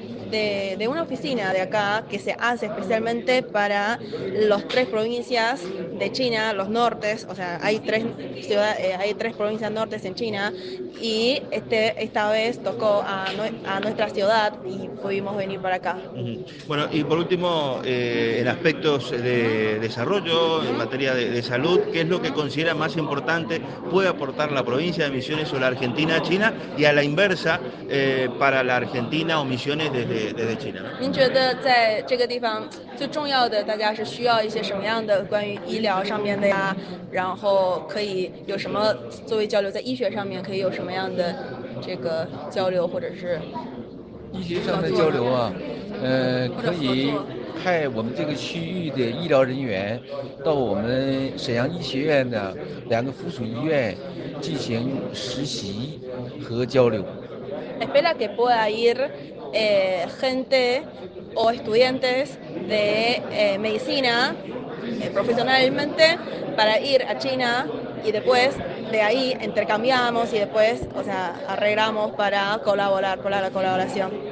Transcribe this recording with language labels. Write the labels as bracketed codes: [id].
[es] De una oficina de acá que se hace especialmente para las tres provincias de China, los nortes, o sea, hay tres ciudades, hay tres provincias nortes en China, y esta vez tocó a nuestra ciudad y pudimos venir para acá. Bueno, y por último, en aspectos de desarrollo, en materia de salud, ¿qué es lo que considera más importante puede aportar la provincia de Misiones o la Argentina a China? Y a la inversa, para la Argentina o Misiones desde China. [zh] 您觉得在这个地方最重要的，大家是需要一些什么样的关于医疗上面的呀？然后可以有什么作为交流，在医学上面可以有什么样的这个交流，或者是医学上的交流啊？可以派我们这个区域的医疗人员到我们沈阳医学院的两个附属医院进行实习和交流。 [es] Espera que pueda ir. Gente o estudiantes de medicina profesionalmente para ir a China y después de ahí intercambiamos y después, o sea, arreglamos para colaborar con la colaboración.